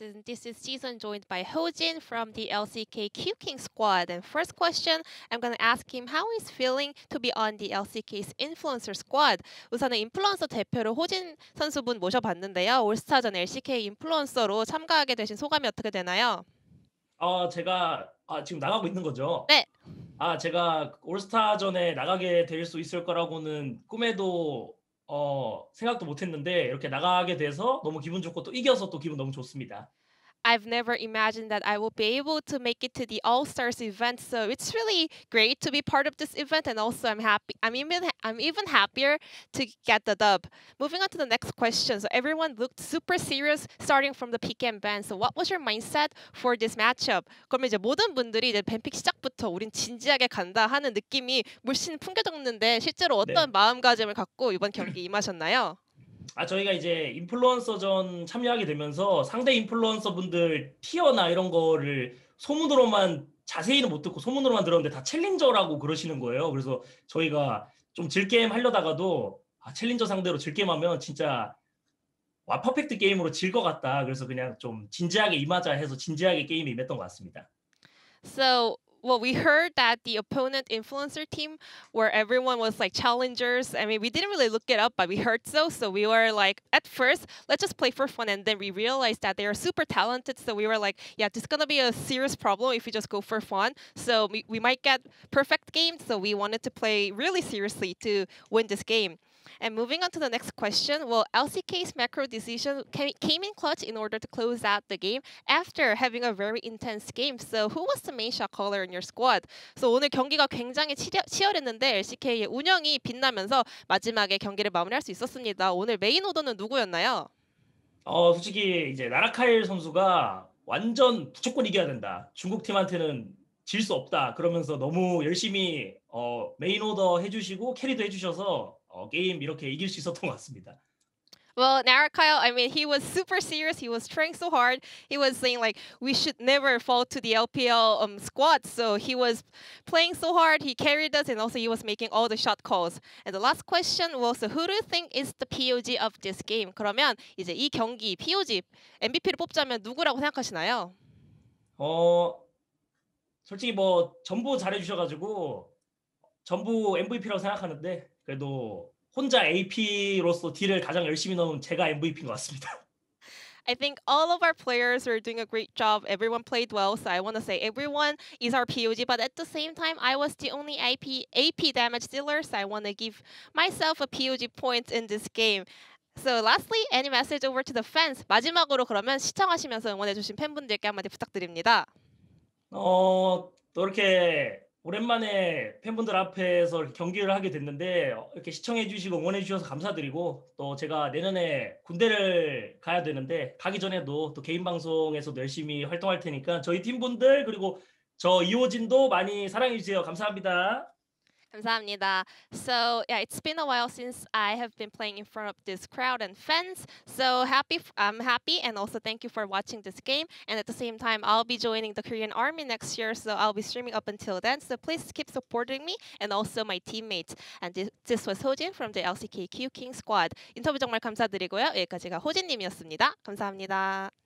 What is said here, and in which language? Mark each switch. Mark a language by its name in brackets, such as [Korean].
[English] And this is Jisun joined by Hojin from the LCK Q-King squad. And first question, I'm going to ask him how he's feeling to be on the LCK's influencer squad. [Korean] 우선은 인플루언서 대표를 호진 선수분 모셔봤는데요. 올스타전 LCK 인플루언서로 참가하게 되신 소감이 어떻게 되나요? 제가 지금 나가고 있는 거죠? 네. 제가 올스타전에 나가게 될 수 있을 거라고는 꿈에도 생각도 못했는데 이렇게 나가게 돼서 너무 기분 좋고 또 이겨서 또 기분 너무 좋습니다. [English] I've never imagined that I would be able to make it to the All-Stars event, so it's really great to be part of this event, and also I'm even happier to get the dub. Moving on to the next question, so everyone looked super serious starting from the PKM ban, so what was your mindset for this matchup? [Korean] 그럼 이제 모든 분들이 이제 밴픽 시작부터 우린 진지하게 간다 하는 느낌이 물씬 풍겨졌는데 실제로 어떤 네. 마음가짐을 갖고 이번 경기 임하셨나요? 저희가 이제 인플루언서전 참여하게 되면서 상대 인플루언서 분들 티어나 이런 거를 소문으로만 자세히는 못 듣고 소문으로만 들었는데 다 챌린저라고 그러시는 거예요. 그래서 저희가 좀 질게임 하려다가도 챌린저 상대로 질게임 하면 진짜 와 퍼펙트 게임으로 질 것 같다. 그래서 그냥 좀 진지하게 임하자 해서 진지하게 게임에 임했던 것 같습니다. [English] So well, we heard that the opponent influencer team where everyone was like challengers. I mean, we didn't really look it up, but we heard so. So we were like, at first, let's just play for fun. And then we realized that they are super talented. So we were like, yeah, this is going to be a serious problem if we just go for fun. So we might get perfect games. So we wanted to play really seriously to win this game. And moving on to the next question, well, LCK's macro decision came in clutch in order to close out the game after having a very intense game. So who was the main shot caller in your squad? [Korean] So 오늘 경기가 굉장히 치열했는데 LCK의 운영이 빛나면서 마지막에 경기를 마무리할 수 있었습니다. 오늘 메인 오더는 누구였나요? 솔직히 이제 나라카일 선수가 완전 무조건 이겨야 된다. 중국 팀한테는 질 수 없다. 그러면서 너무 열심히 메인 오더 해주시고 캐리도 해주셔서 게임 이렇게 이길 수 있었던 것 같습니다. [English] Well, Narakyle, I mean, he was super serious. He was trying so hard. He was saying, like, we should never fall to the LPL squad. So he was playing so hard. He carried us, and also he was making all the shot calls. And the last question was, so who do you think is the POG of this game? [Korean] 그러면 이제 이 경기, POG, MVP를 뽑자면 누구라고 생각하시나요? 솔직히 뭐 전부 잘해주셔가지고 전부 MVP라고 생각하는데 그래도 혼자 AP로서 딜을 가장 열심히 넣은 제가 MVP인 것 같습니다. [English] I think all of our players are doing a great job. Everyone played well, so I want to say everyone is our POG. But at the same time, I was the only AP damage dealer, so I want to give myself a POG point in this game. So lastly, any message over to the fans? [Korean] 마지막으로 그러면 시청하시면서 응원해주신 팬분들께 한마디 부탁드립니다. 또 이렇게 오랜만에 팬분들 앞에서 경기를 하게 됐는데 이렇게 시청해 주시고 응원해 주셔서 감사드리고 또 제가 내년에 군대를 가야 되는데 가기 전에도 또 개인 방송에서도 열심히 활동할 테니까 저희 팀분들 그리고 저 이호진도 많이 사랑해 주세요. 감사합니다. 감사합니다. [English] So yeah, it's been a while since I have been playing in front of this crowd and fans. So I'm happy and also thank you for watching this game. And at the same time, I'll be joining the Korean Army next year. So I'll be streaming up until then. So please keep supporting me and also my teammates. And this was Hojin from the LCK Q-King squad. [Korean] 인터뷰 정말 감사드리고요. 여기까지가 호진님이었습니다. 감사합니다.